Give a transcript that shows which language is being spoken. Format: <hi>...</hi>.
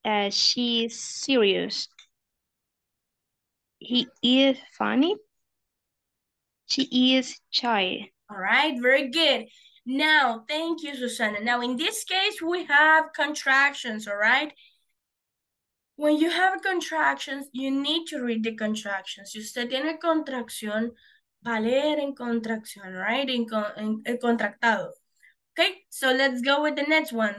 <en>She is serious. He is funny. She is shy. All right, very good. Now, thank you, Susana. Now, in this case, we have contractions, all right? When you have contractions, you need to read the contractions.</en> <es>Si usted tiene contracción, va a leer en contracción, right? En contractado.</es> <en>Okay, so let's go with the next one.</en>